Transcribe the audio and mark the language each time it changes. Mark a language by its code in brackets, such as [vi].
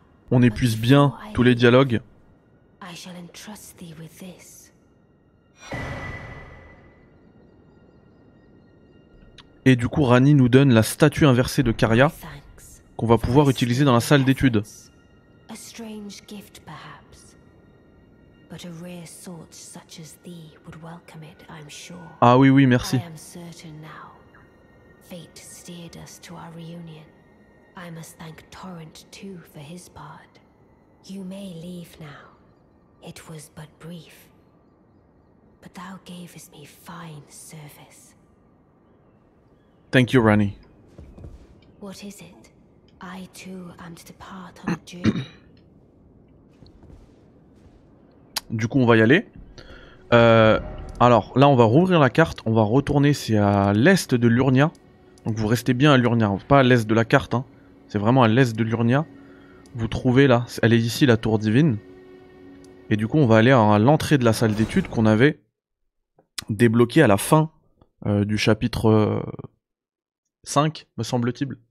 [fr] On épuise bien tous les dialogues. [en] I shall entrust thee with this. [fr] Et du coup, Rani nous donne la statue inversée de Caria qu'on va pouvoir utiliser dans la salle d'études. [en] A strange gift, perhaps. But a rare sort such as thee would welcome it, I'm sure. [fr] Ah oui, oui, merci. [en] I am certain now. Fate steered us to our reunion. I must thank Torrent too for his part. You may leave now. It was but brief. But thou gavest me fine service. Thank you, Rani. What is it? I too am to depart on a journey. [fr] Du coup, on va y aller. Alors, là, on va rouvrir la carte. On va retourner, c'est à l'est de Lurnia. Donc, vous restez bien à Lurnia, pas à l'est de la carte, hein. C'est vraiment à l'est de Lurnia. Vous trouvez là, elle est ici, la tour divine. Et du coup, on va aller à l'entrée de la salle d'études qu'on avait débloquée à la fin du chapitre 5, me semble-t-il.